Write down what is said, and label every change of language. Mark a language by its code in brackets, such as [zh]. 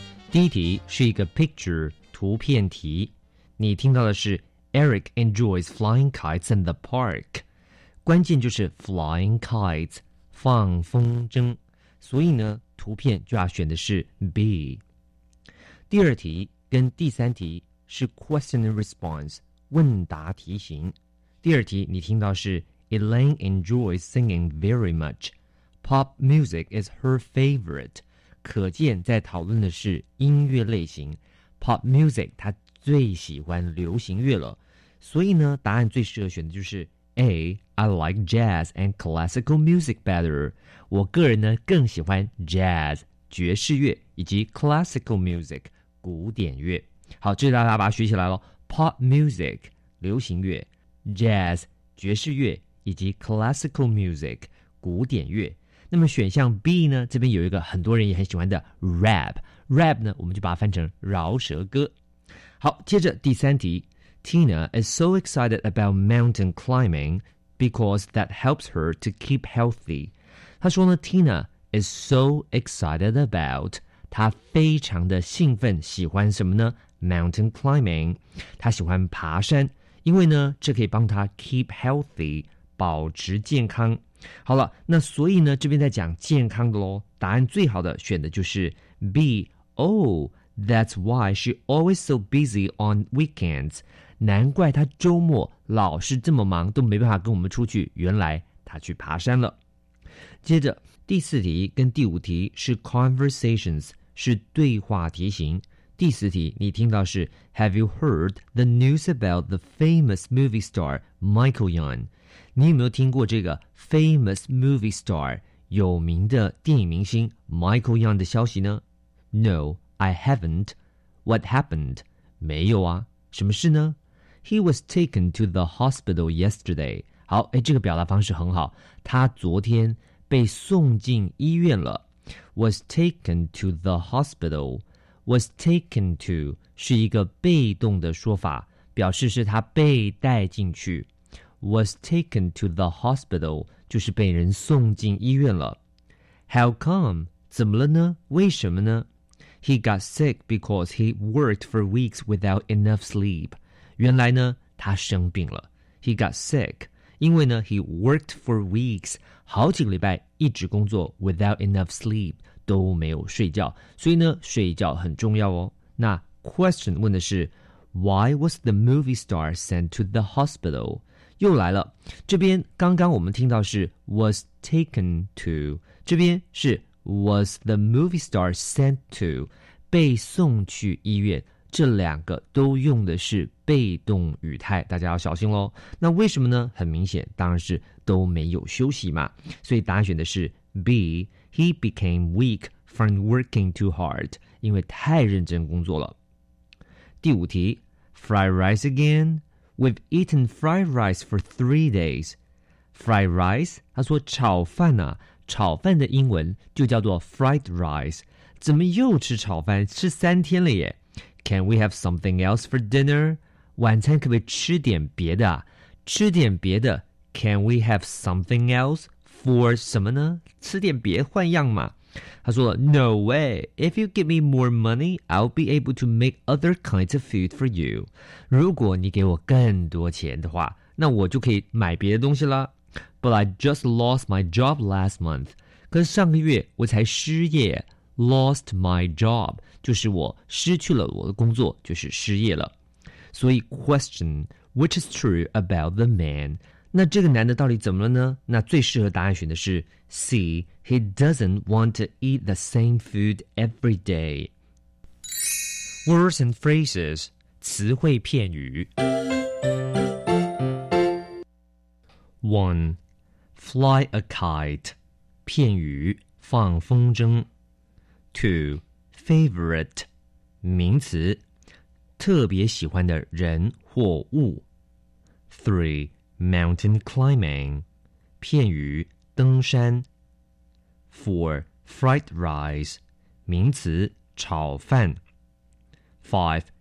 [zh] 第一题是一个 picture 图片题。你听到的是 [en] Eric enjoys flying kites in the park. [zh] 关键就是 flying kites, 放风筝。所以呢，图片就要选的是 B. 第二题跟第三题是 [en] question and response, [zh] 问答题型。 [en] 第二题你听到是 Elaine enjoys singing very much. Pop music is her favorite. [zh] 可见在讨论的是音乐类型。Pop music 她最喜欢流行乐了。所以呢，答案最适合选的就是 A. [en] I like jazz and classical music better. [zh] 我个人呢更喜欢 jazz, 爵士乐以及 classical music,古典乐。好，这大家把它学起来了。Pop music 流行乐， Jazz 爵士乐，以及 Classical music 古典乐。那么选项 B 呢，这边有一个很多人也很喜欢的 Rap。 Rap 呢，我们就把它翻成饶舌歌。好，接着第三题， [en] Tina is so excited about mountain climbing because that helps her to keep healthy。 [zh] 她说呢， [en] Tina is so excited about， [zh] 他非常的兴奋，喜欢什么呢？ Mountain climbing, 他喜欢爬山，因为呢，这可以帮他 [en] keep healthy, [zh] 保持健康。好了，那所以呢，这边在讲健康的咯，答案最好的选的就是 B. [en] Oh, that's why she always so busy on weekends. [zh] 难怪他周末老是这么忙，都没办法跟我们出去，原来他去爬山了。接着第四题跟第五题是 conversations, 是对话题型。 [en] 第四题你听到是 Have you heard the news about the famous movie star Michael Young? [zh] 你有没有听过这个 [en] famous movie star [zh] 有名的电影明星 Michael Young 的消息呢？ [en] No, I haven't. What happened? [zh] 没有啊，什么事呢？ [en] He was taken to the hospital yesterday. [zh] 好，哎，这个表达方式很好。他昨天被送进医院了。 [en] Was taken to the hospital. [zh] Was taken to 是一个被动的说法，表示是他被带进去。 [en] Was taken to the hospital [zh] 就是被人送进医院了。 [en] How come? [zh] 怎么了呢？为什么呢？ [en] He got sick because he worked for weeks without enough sleep. [zh] 原来呢，他生病了。 [en] He got sick [zh] 因为呢 [en] he worked for weeks [zh] 好几个礼拜一直工作 [en] without enough sleep [zh] 都没有睡觉，所以呢睡觉很重要哦。 [en] 那 question 问的是 Why was the movie star sent to the hospital? [zh] 又来了，这边刚刚我们听到是 [en] was taken to， [zh] 这边是 [en] was the movie star sent to， [zh] 被送去医院，这两个都用的是被动语态，大家要小心咯。那为什么呢？很明显，当然是都没有休息嘛，所以答案选的是 B， [en] he became weak from working too hard， [zh] 因为太认真工作了。第五题， [en] fried rice again? We've eaten fried rice for 3 days. Fried rice? [zh] 他说炒饭啊，炒饭的英文就叫做 fried rice. 怎么又吃炒饭？吃三天了耶。 [en] Can we have something else for dinner? [zh] 晚餐可不可以吃点别的啊？吃点别的。 [en] Can we have something else for [zh] 什么呢？吃点别换样嘛。他说 [en] No way. If you give me more money, I'll be able to make other kinds of food for you. [zh] 如果你给我更多钱的话，那我就可以买别的东西了。 [en] But I just lost my job last month. [zh] 可是上个月我才失业。 Lost my job 就是我失去了我的工作，就是失业了。 [en] 所以 question which is true about the man? [zh] 那这个男的到底怎么了呢？那最适合答案选的是 C. [en] He doesn't want to eat the same food every day. Words and phrases [zh] 词汇片语 1. Fly a kite 片语放风筝 2. Favorite 名词特别喜欢的人或物 3. Mountain climbing, 片语登山 4. Fried rice, 名词炒饭 5.